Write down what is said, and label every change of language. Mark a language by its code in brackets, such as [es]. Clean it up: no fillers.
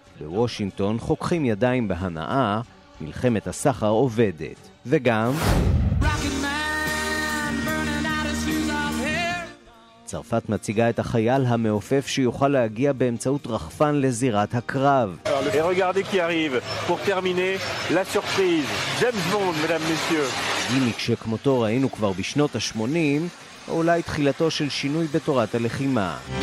[he] בוושינגטון חוקחים ידיים בהנאה, מלחמת הסחר עובדת. וגם צרפת מציגה את החייל המעופף שיוכל להגיע באמצעות רחפן לזירת הקרב. [fr] Et regardez qui arrive pour terminer la surprise. James Bond, mesdames, messieurs. [he] גימיק שכמותו ראינו כבר בשנות ה-80, או אולי תחילתו של שינוי בתורת הלחימה.